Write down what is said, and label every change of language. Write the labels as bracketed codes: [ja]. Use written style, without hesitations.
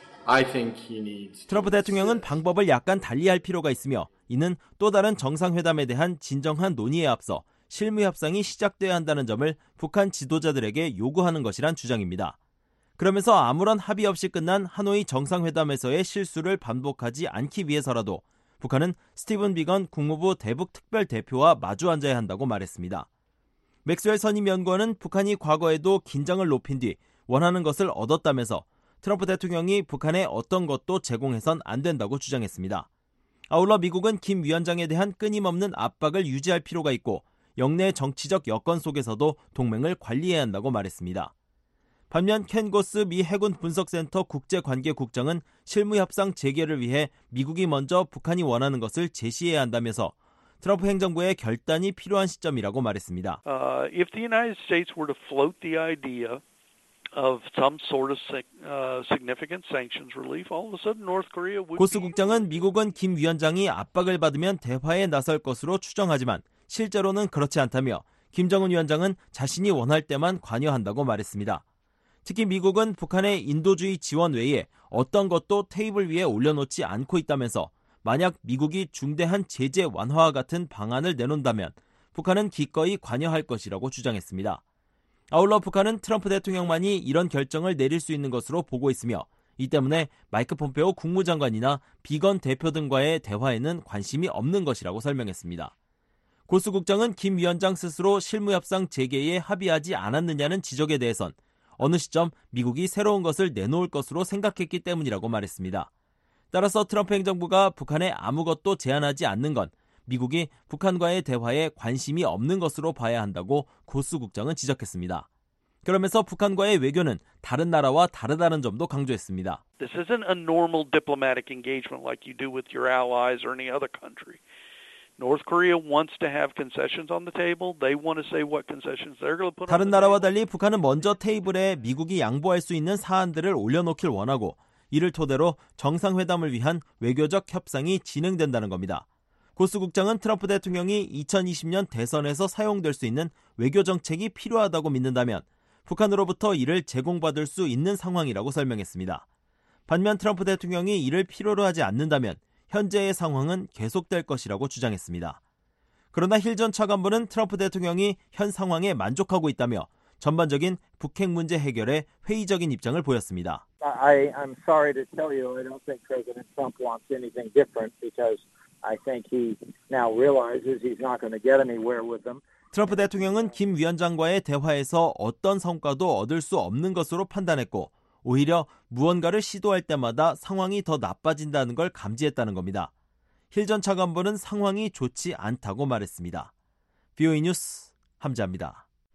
[en] I think he needs [ko] 트럼프 대통령은 방법을 약간 달리할 필요가 있으며 이는 또 다른 정상회담에 대한 진정한 논의에 앞서 실무 협상이 시작돼야 한다는 점을 북한 지도자들에게 요구하는 것이란 주장입니다. 그러면서 아무런 합의 없이 끝난 하노이 정상회담에서의 실수를 반복하지 않기 위해서라도 북한은 스티븐 비건 국무부 대북특별대표와 마주 앉아야 한다고 말했습니다. 맥스웰 선임연구원은 북한이 과거에도 긴장을 높인 뒤 원하는 것을 얻었다면서 트럼프 대통령이 북한에 어떤 것도 제공해선 안 된다고 주장했습니다. 아울러 미국은 김 위원장에 대한 끊임없는 압박을 유지할 필요가 있고 영내 정치적 여건 속에서도 동맹을 관리해야 한다고 말했습니다. 반면 켄 고스 미 해군 분석센터 국제관계국장은 실무협상 재개를 위해 미국이 먼저 북한이 원하는 것을 제시해야 한다면서 트럼프 행정부의 결단이 필요한 시점이라고 말했습니다. [en] If the United States were to float the idea of some sort of significant sanctions relief, all of a sudden North Korea would. [ko] 고스 국장은 미국은 김 위원장이 압박을 받으면 대화에 나설 것으로 추정하지만 실제로는 그렇지 않다며 김정은 위원장은 자신이 원할 때만 관여한다고 말했습니다. 특히 미국은 북한의 인도주의 지원 외에 어떤 것도 테이블 위에 올려놓지 않고 있다면서 만약 미국이 중대한 제재 완화와 같은 방안을 내놓는다면 북한은 기꺼이 관여할 것이라고 주장했습니다. 아울러 북한은 트럼프 대통령만이 이런 결정을 내릴 수 있는 것으로 보고 있으며 이 때문에 마이크 폼페오 국무장관이나 비건 대표 등과의 대화에는 관심이 없는 것이라고 설명했습니다. 고스 국장은 김 위원장 스스로 실무협상 재개에 합의하지 않았느냐는 지적에 대해선 어느 시점 미국이 새로운 것을 내놓을 것으로 생각했기 때문이라고 말했습니다. 따라서 트럼프 행정부가 북한에 아무것도 제안하지 않는 건 미국이 북한과의 대화에 관심이 없는 것으로 봐야 한다고 고스 국장은 지적했습니다. 그러면서 북한과의 외교는 다른 나라와 다르다는 점도 강조했습니다. [en] This isn't a normal diplomatic engagement like you do with your allies or any other country. North Korea wants to have concessions on the table. They want to say what concessions they're going to put. [ko] 다른 나라와 달리 북한은 먼저 테이블에 미국이 양보할 수 있는 사안들을 올려놓길 원하고 이를 토대로 정상회담을 위한 외교적 협상이 진행된다는 겁니다. 고스 국장은 트럼프 대통령이 2020년 대선에서 사용될 수 있는 외교 정책이 필요하다고 믿는다면 북한으로부터 이를 제공받을 수 있는 상황이라고 설명했습니다. 반면 트럼프 대통령이 이를 필요로 하지 않는다면 현재의 상황은 계속될 것이라고 주장했습니다. 그러나 힐 전 차관보는 트럼프 대통령이 현 상황에 만족하고 있다며 전반적인 북핵 문제 해결에 회의적인 입장을 보였습니다. [en] I'm sorry to tell you, I don't think President Trump wants anything different because I think he now realizes he's not going to get anywhere with them. [ko] 트럼프 대통령은 김 위원장과의 대화에서 어떤 성과도 얻을 수 없는 것으로 판단했고 오히려 무언가를 시도할 때마다 상황이 더 나빠진다는 걸 감지했다는 겁니다. 힐 전 차관보는 상황이 좋지 않다고 말했습니다. VOA 뉴스 함재합니다.